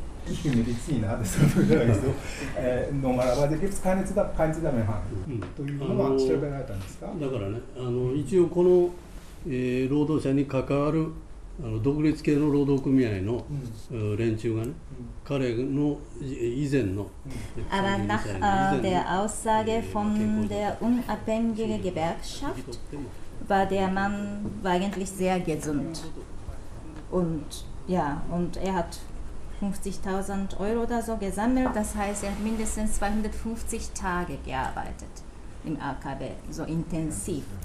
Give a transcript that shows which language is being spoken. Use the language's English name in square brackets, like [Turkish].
[German] Ich bin Mediziner, das ist so. Normalerweise gibt es keinen Zusammenhang. Was ist das? [Japanese] だからね、一応この、労働者に関わる独立系の労働組合の連中がね、彼の以前の。 [German] Aber nach der Aussage von der unabhängigen Gewerkschaft war der Mann eigentlich sehr gesund. Und er hat 50.000 Euro oder so gesammelt, das heißt, er hat mindestens 250 Tage gearbeitet im AKB, so intensiv.